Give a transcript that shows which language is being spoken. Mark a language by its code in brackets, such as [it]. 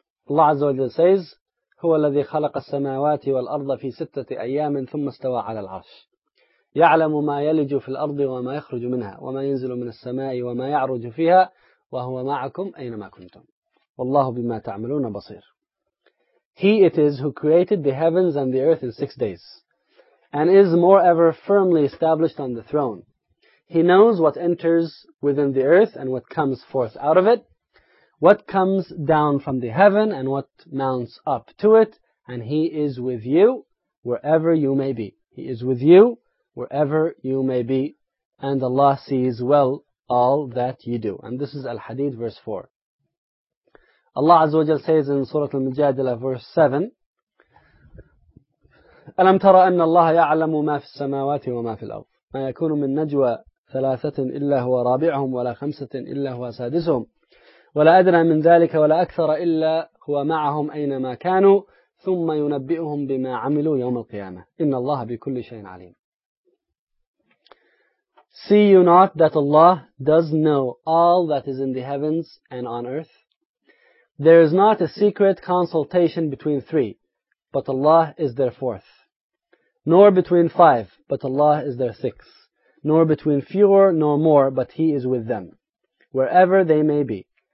[en] Allah Azza wa Jal says, [ar] هُوَ الَّذِي خَلَقَ السَّمَاوَاتِ وَالْأَرْضَ فِي سِتَّةِ أَيَّامٍ ثُمَّ اسْتَوَى عَلَى الْعَرْشِ يَعْلَمُ مَا يَلِجُ فِي الْأَرْضِ وَمَا يَخْرُجُ مِنْهَا وَمَا يَنْزِلُ مِنَ السَّمَاءِ وَمَا يَعْرُجُ فِيهَا وَهُوَ مَعَكُمْ أَيْنَمَا كُنْتُمْ وَاللَّهُ بِمَا تَعْمَلُونَ بَصِيرٌ. [en] He it is who created the heavens and the earth in 6 days, and is moreover firmly established on the throne. He knows what enters within the earth and what comes forth out of it, what comes down from the heaven and what mounts up to it, and He is with you wherever you may be. He is with you wherever you may be, and Allah sees well all that you do. And this is Al-Hadid verse 4. Allah Azza wa Jal says in Surah Al-Mujadilah verse 7, [ar] أَلَمْ تَرَ أَنَّ اللَّهَ يَعْلَمُ مَا فِي السَّمَاوَاتِ وَمَا فِي الْأَرْضِ مَا يَكُونُ مِنْ نَجْوَى ثَلَاثَةٍ إِلَّا هُوَ رَابِعُهُمْ وَلَا خَمْسَةٍ إِلَّا هُوَ سَادِسُهُمْ وَلَا أَدْنَى مِنْ ذَلِكَ وَلَا أَكْثَرَ إِلَّا هُوَ مَعَهُمْ أَيْنَمَا كَانُوا ثُمَّ يُنَبِّئُهُمْ بِمَا عَمِلُوا يَوْمَ الْقِيَامَةِ إِنَّ اللَّهَ بِكُلِّ شَيْءٍ عَلِيمٌ. [en] See you not that Allah does know all that is in the heavens and on earth? There is not a secret consultation between three, but Allah is their fourth. Nor between five, but Allah is their sixth. Nor between fewer nor more, but He is with them, wherever they may be.